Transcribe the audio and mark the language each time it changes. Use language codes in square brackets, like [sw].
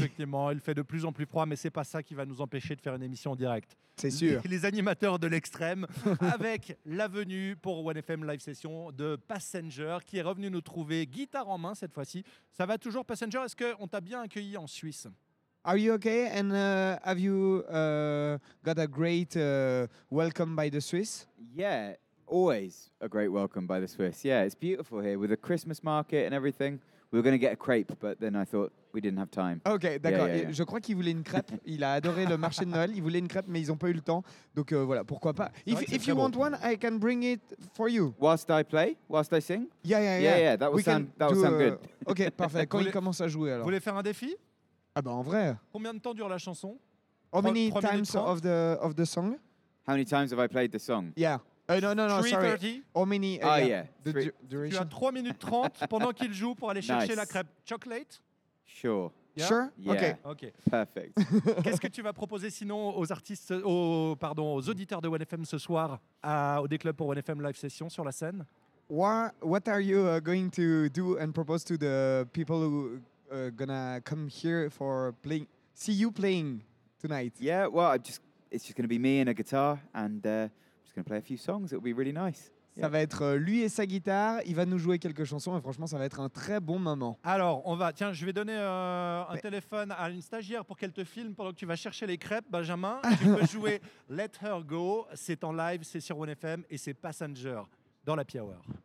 [fr] Effectivement, il fait de plus en plus froid, mais ce n'est pas ça qui va nous empêcher de faire une émission en direct. C'est sûr. Les animateurs de l'extrême, avec la venue pour OneFM Live Session de Passenger, qui est revenu nous trouver, guitare en main cette fois-ci. Ça va toujours, Passenger? Est-ce qu'on t'a bien accueilli en Suisse? [en] Are you okay? And have you got a great welcome by the Swiss? Yeah. Always a great welcome by the Swiss. Yeah, it's beautiful here with a Christmas market and everything. We were going to get a crepe, but then I thought we didn't have time. [fr] Ok, d'accord. [en] Yeah, yeah, yeah. [fr] Je crois qu'il voulait une crêpe. Il a adoré le marché de Noël. Il voulait une crêpe, mais ils n'ont pas eu le temps. Donc voilà, pourquoi pas. [en] If you want one, I can bring it for you. Whilst I play? Whilst I sing? Yeah. That would sound good. [fr] Ok, parfait. Quand il commence à jouer, alors. Vous voulez faire un défi? Ah ben, en vrai. Combien de temps dure la chanson? [en] How many times of the song? How many times have I played the song? Yeah. No, 3:30. How many? Yeah. [fr] Tu as 3 minutes 30 pendant qu'il joue pour aller chercher la crêpe. [en] Chocolate? Sure. Yeah? Sure? Yeah. Okay. Okay. Perfect. [fr] Qu'est-ce que tu vas proposer sinon aux auditeurs de OneFM ce soir au D Club pour OneFM Live Session sur la scène? [en] What are you going to do and propose to the people who are going to come here for playing? See you playing tonight? Yeah, well, it's just going to be me and a guitar and. Just gonna play a few songs. It'll be really nice. [fr] Ça va être lui et sa guitare. Il va nous jouer quelques chansons. Et franchement, ça va être un très bon moment. Alors, je vais donner un téléphone à une stagiaire pour qu'elle te filme pendant que tu vas chercher les crêpes, Benjamin. Tu peux jouer Let Her Go. C'est en live, c'est sur OneFM et c'est Passenger dans la Power.